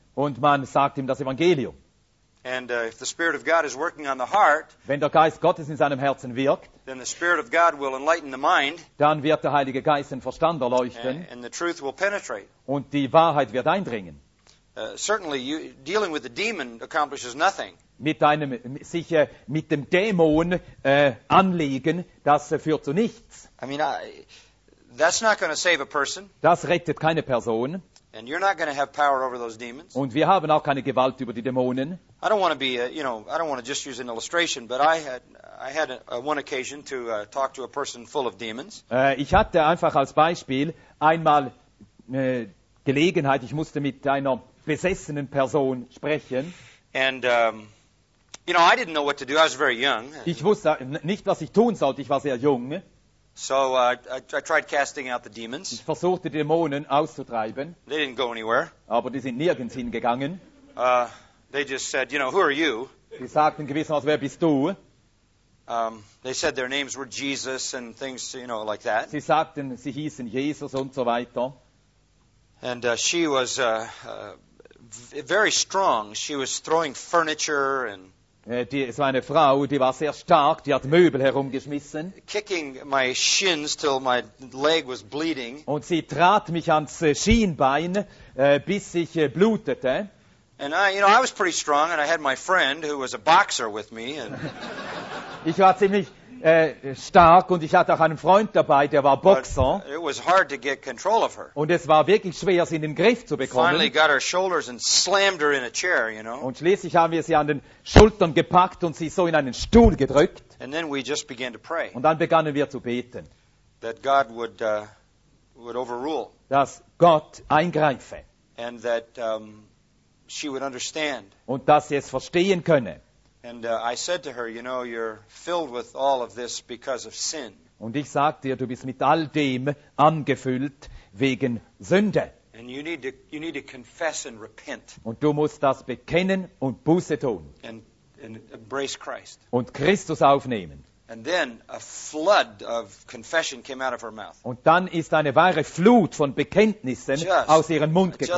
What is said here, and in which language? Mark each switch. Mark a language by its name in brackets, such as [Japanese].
[German] Und man sagt ihm das Evangelium. [English] And if the Spirit of God is working on the heart, [German] wenn der Geist Gottes in seinem Herzen wirkt, [English] then the Spirit of God will enlighten the mind, [German] dann wird der Heilige Geist den Verstand erleuchten, [English] and the truth will penetrate. [German] Und die Wahrheit wird eindringen. [English] Certainly, dealing with the demon accomplishes nothing. [German] Mit einem sich mit dem Dämon anlegen, das führt zu nichts. [English] I mean, that's not going to save a person. [German] Das rettet keine Person. [English] And you're not going to have power over those demons. [German] Und wir haben auch keine Gewalt über die Dämonen. [English] I don't want to be, I don't want to just use an illustration, but I had one occasion to talk to a person full of demons. [German] Ich hatte einfach als Beispiel einmal Gelegenheit. Ich musste mit einer besessenen Person sprechen. [English] And I didn't know what to do. I was very young. [German] Ich wusste nicht, was ich tun sollte. Ich war sehr jung. [English] So I tried casting out the demons. [German] Ich versuchte Dämonen auszutreiben. [English] They didn't go anywhere. [German] Aber die sind nirgends hingegangen. [English] They just said, who are you? [German] Sie sagten gewissermaßen, wer bist du? [English] They said their names were Jesus and things, like that. [German] Sie sagten, sie hießen Jesus und so weiter. [English] And she was very strong. She was throwing furniture and. [German] Es war eine Frau, die war sehr stark, die hat Möbel herumgeschmissen. [English] Kicking my shins till my leg was bleeding. [German] Und sie trat mich ans Schienbein, bis ich blutete. [English] And I was pretty strong and I had my friend who was a boxer with me. And [German] ich war ziemlich stark und ich hatte auch einen Freund dabei, der war Boxer. [English] It was hard to get control of her. [German] Und es war wirklich schwer, sie in den Griff zu bekommen. [English] Finally got her shoulders and slammed her in a chair, [German] Und schließlich haben wir sie an den Schultern gepackt und sie so in einen Stuhl gedrückt. [English] And then we just began to pray. [German] Und dann begannen wir zu beten. [English] That God would overrule. [German] Dass Gott eingreife. [English] And that she would understand. [German] Und dass sie es verstehen könne. [English] And I said to her, you're filled with all of this because of sin. [German] Und ich sagte ihr, du bist mit all dem angefüllt wegen Sünde. [English] And you need to confess and repent. [German] Und du musst das bekennen und Buße tun. [English] And embrace Christ. [German] Und Christus aufnehmen. [English] And then a flood of confession came out of her mouth. [German] Und dann ist eine wahre Flut von Bekenntnissen [English] just, [German] aus ihrem Mund gekommen.